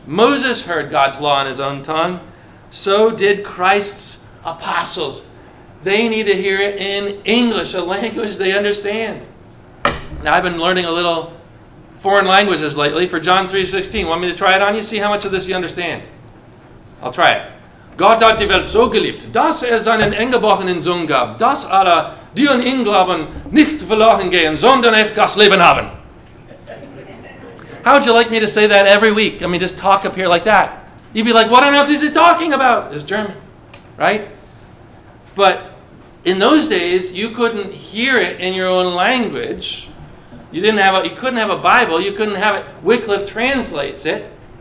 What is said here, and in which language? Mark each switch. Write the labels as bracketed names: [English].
[English] Moses heard God's law in his own tongue. So did Christ's apostles. They need to hear it in English, a language they understand. Now, I've been learning a little foreign languages lately for John 3:16. Want me to try it on you? See how much of this you understand. I'll try it. [German] Gott hat die Welt so geliebt, dass er seinen eingeborenen Sohn gab, dass alle, die an ihn glauben, nicht verloren gehen, sondern ewiges Leben haben. [English] How would you like me to say that every week? I mean, just talk up here like that. You'd be like, what on earth is he talking about? It's German. right? But in those days, you couldn't hear it in your own language. You couldn't have a Bible. You couldn't have it. Wycliffe translates it.